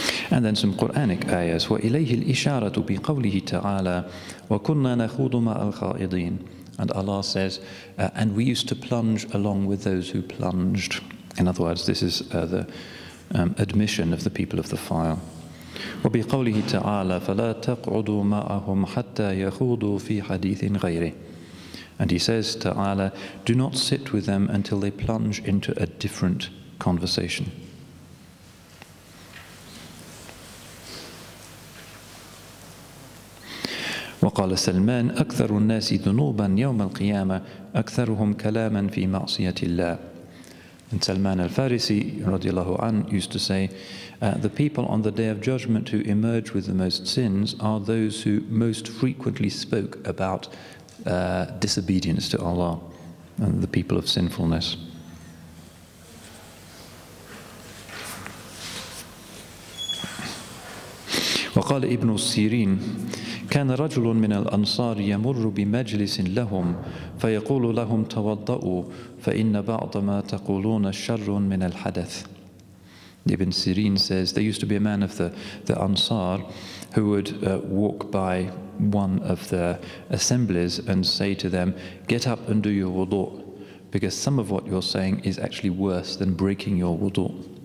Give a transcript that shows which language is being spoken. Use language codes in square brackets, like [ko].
[en] And then some Quranic ayahs. [ar] وَإِلَيْهِ الْإِشَارَةُ بِقَوْلِهِ تَعَالَى وَكُنَّا نَخُوضُ مَعَ الْخَائِضِينَ. [en] And Allah says, and we used to plunge along with those who plunged. In other words, this is the admission of the people of the fire. [ar] وبقوله تعالى فلا تقعدوا معهم حتى يخوضوا في حديث غيره. [en] And he says, تعالى, do not sit with them until they plunge into a different conversation. [ar] وقال سلمان أكثر الناس ذنوبا يوم القيامة أكثرهم كلاما في معصية الله. [en] And Salman al-Farisi, radiallahu anhu, used to say, the people on the Day of Judgment who emerge with the most sins are those who most frequently spoke about disobedience to Allah and the people of sinfulness. [ar] وقال ابن السيرين كان رجل من الأنصار يمر بمجلس لهم فيقول لهم توضؤوا فإن بعض ما تقولون شر من الحدث. [en] Ibn Sirin says there used to be a man of the Ansar who would walk by one of the assemblies and say to them, get up and do your wudu, because some of what you're saying is actually worse than breaking your wudu.